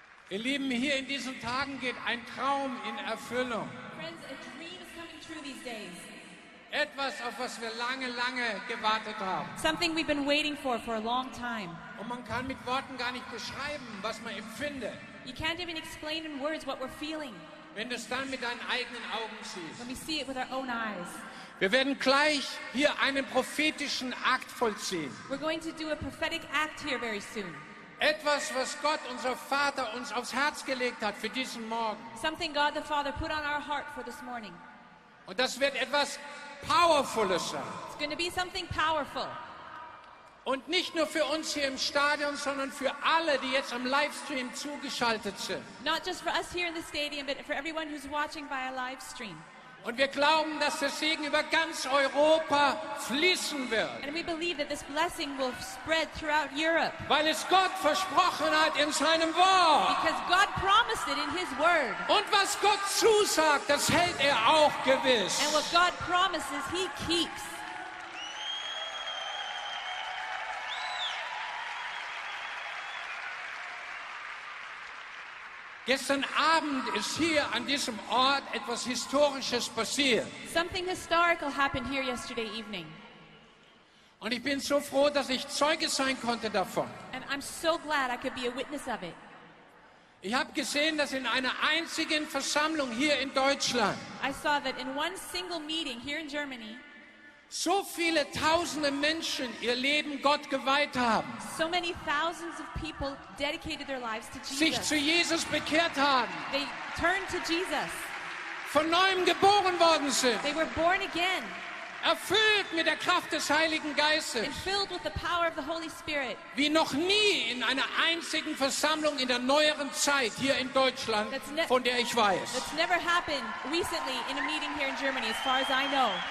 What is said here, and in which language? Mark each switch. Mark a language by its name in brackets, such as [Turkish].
[German] Ihr Lieben, hier in diesen Tagen geht ein Traum in Erfüllung. [English] Friends, a dream is coming true these days. [German] Etwas, auf was wir lange, lange gewartet haben. [English] Something we've been waiting for a long time. [German] Und man kann mit Worten gar nicht beschreiben, was man empfindet. [English] You can't even explain in words what we're feeling. [German] Wenn du es dann mit deinen eigenen Augen siehst. [English] When we see it with our own eyes. [German] Wir werden gleich hier einen prophetischen Akt vollziehen. [English] We're going to do a prophetic act here very soon. [German] Etwas, was Gott, unser Vater, uns aufs Herz gelegt hat für diesen Morgen. [English] Something God the Father put on our heart for this morning. [German] Und das wird etwas Powerfules sein. [English] It's going to be something powerful. [German] Und nicht nur für uns hier im Stadion, sondern für alle, die jetzt am Livestream zugeschaltet sind. [English] Not just for us here in the stadium, but for everyone who's watching via Livestream. [German] Und wir glauben, dass der Segen über ganz Europa fließen wird. [English] And we believe that this blessing will spread throughout Europe. [German] Weil es Gott versprochen hat in seinem Wort. [English] Because God promised it in his word. [German] Und was Gott zusagt, das hält er auch gewiss. [English] And what God promises, he keeps. [German] Gestern Abend ist hier an diesem Ort etwas Historisches passiert. [English] Something historical happened here yesterday evening. [German] Und ich bin so froh, dass ich Zeuge sein konnte davon. [English] And I'm so glad I could be a witness of it. [German] Ich habe gesehen, dass in einer einzigen Versammlung hier in Deutschland [English] I saw that in one single meeting here in Germany [German] so viele tausende Menschen ihr Leben Gott geweiht haben. [English] So many thousands of people dedicated their lives to Jesus. [German] Sich zu Jesus bekehrt haben. [English] They turned to Jesus. [German] Von neuem geboren worden sind. [English] They were born again. [German] Erfüllt mit der Kraft des Heiligen Geistes. [English] And filled with the power of the Holy Spirit. [German] Wie noch nie in einer einzigen Versammlung in der neueren Zeit hier in Deutschland, von der ich weiß. [English] That's never happened recently in a meeting here in Germany, as far as I know.